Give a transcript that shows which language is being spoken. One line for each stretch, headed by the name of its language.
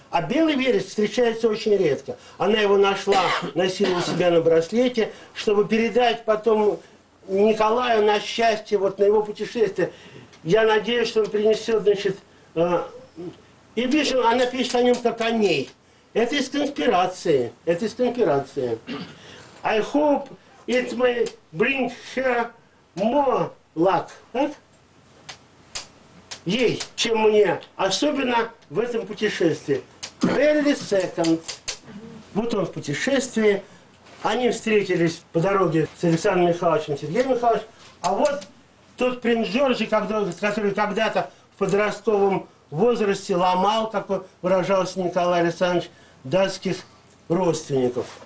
Russian: А белый вереск встречается очень редко. Она его нашла, носила у себя на браслете, чтобы передать потом Николаю на счастье, вот на его путешествие. Я надеюсь, что он принесет, значит... И видишь, она пишет о нем как о ней. Это из конспирации. Это из конспирации.
English: I hope it may bring her more luck.
Russian: Так? Ей, чем мне. Особенно в этом путешествии.
English: Barely second.
Russian: Вот он в путешествии. Они встретились по дороге с Александром Михайловичем, Сергеем Михайловичем. А вот тот принц Джорджи, который когда-то в подростковом возрасте ломал, как выражался Николай Александрович, датских родственников.